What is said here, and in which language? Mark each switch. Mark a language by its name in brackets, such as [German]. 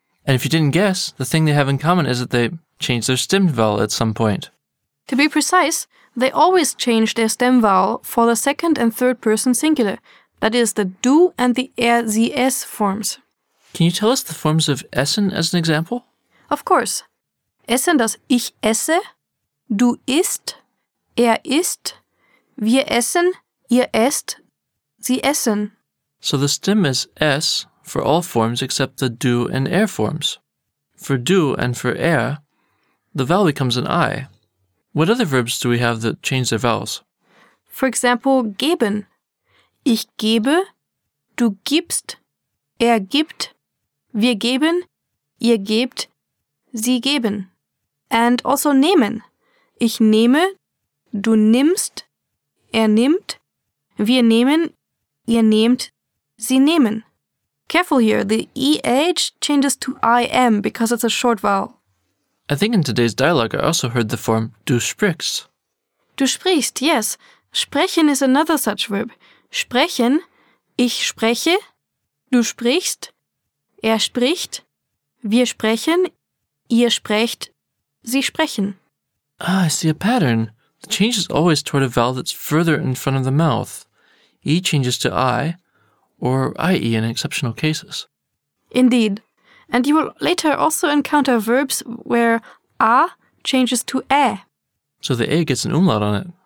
[English] And if you didn't guess, the thing they have in common is that they change their stem vowel at some point. To be precise, they always change their stem vowel for the second and third person singular, that is, the du and the er, sie, es forms. Can you tell us the forms of essen as an example? Of course. [German] Essen das ich esse, du isst, er isst, wir essen, ihr esst, sie essen. [English] So the stem is s for all forms except the du and er forms. For du and for er, the vowel becomes an I. What other verbs do we have that change their vowels? For example, geben. [German] Ich gebe, du gibst, er gibt, wir geben, ihr gebt, sie geben. [English] And also [German] nehmen. Ich nehme, du nimmst, er nimmt, wir nehmen, ihr nehmt, sie nehmen. [English] Careful here, the EH changes to IM because it's a short vowel. I think in today's dialogue I also heard the form du sprichst. Du sprichst, yes. Sprechen is another such verb. [German] Sprechen, ich spreche, du sprichst, er spricht, wir sprechen, ihr sprecht, sie sprechen. [English] Ah, I see a pattern. The change is always toward a vowel that's further in front of the mouth. E changes to I, or IE in exceptional cases. Indeed. And you will later also encounter verbs where A changes to Ä. So the A gets an umlaut on it.